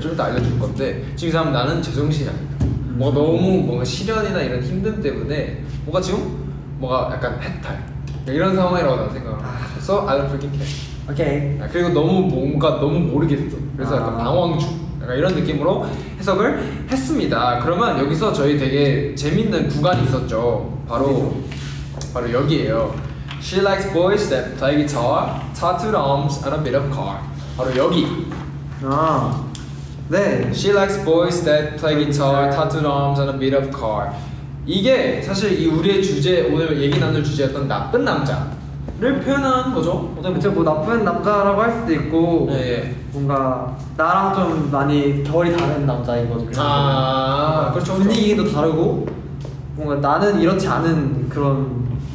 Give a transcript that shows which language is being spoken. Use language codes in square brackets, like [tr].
[ko] 좀 이따 알려줄 건데 지금 이 사람 나는 제정신이 아니다. 뭔가 너무 뭔가 시련이나 이런 힘듦 때문에 뭔가 지금 뭔가 약간 해탈 이런 상황이라고 나는 생각을 해. [en] So I don't freaking care. [ko] 오케이. 그리고 너무 뭔가 너무 모르겠어. 그래서 약간 방황중 약간 이런 느낌으로 해석을 했습니다. 그러면 여기서 저희 되게 재밌는 구간이 있었죠. 바로 여기예요. [en] She likes boys that play guitar, tattooed arms, and a bit of car. [ko] 바로 여기. 아, 네. [en] She likes boys that play guitar, tattooed arms, and a bit of car. [ko] 이게 사실 이 우리의 주제 오늘 얘기 나눌 주제였던 나쁜 남자를 표현한 거죠. 어떤 그쵸 뭐 나쁜 남자라고 할 수도 있고, 네, 예. 뭔가 나랑 좀 많이 결이 다른 남자인 거죠. 아, 그렇죠. 분위기도 다르고, 뭔가 나는 이렇지 않은 그런.